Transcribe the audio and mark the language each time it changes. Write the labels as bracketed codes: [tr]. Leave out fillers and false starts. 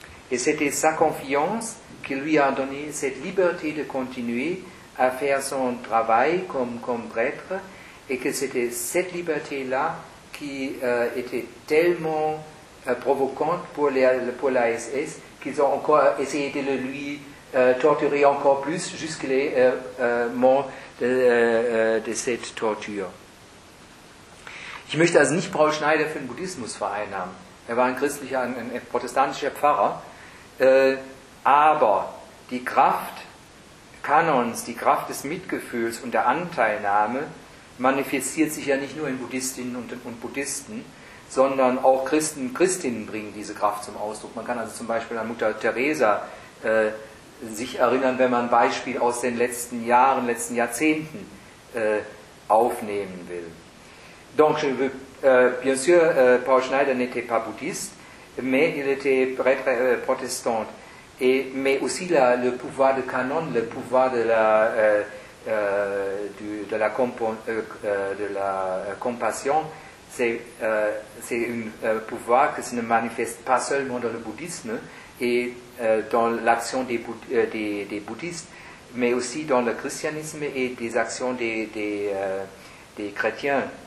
[fr] Et c'était sa confiance qui lui a donné cette liberté de continuer à faire son travail comme prêtre, et que c'était cette liberté-là qui était tellement provocante pour la SS, qu'ils ont encore essayé de le lui torturer encore plus jusqu'à la mort de cette torture. [de] Ich möchte also nicht Paul Schneider für den Buddhismus vereinnahmen. Er war ein protestantischer Pfarrer. Aber die Kraft, Kanons, die Kraft des Mitgefühls und der Anteilnahme manifestiert sich ja nicht nur in Buddhistinnen und Buddhisten, sondern auch Christen und Christinnen bringen diese Kraft zum Ausdruck. Man kann also zum Beispiel an Mutter Teresa sich erinnern, wenn man ein Beispiel aus den letzten Jahren, letzten Jahrzehnten aufnehmen will. [fr] Donc, bien sûr, Paul Schneider n'était pas bouddhiste, mais il était prêtre protestant. Et, mais aussi la, le pouvoir de canon, le pouvoir de la, compassion, c'est un pouvoir qui se manifeste pas seulement dans le bouddhisme et dans l'action des bouddhistes, mais aussi dans le christianisme et des actions des chrétiens.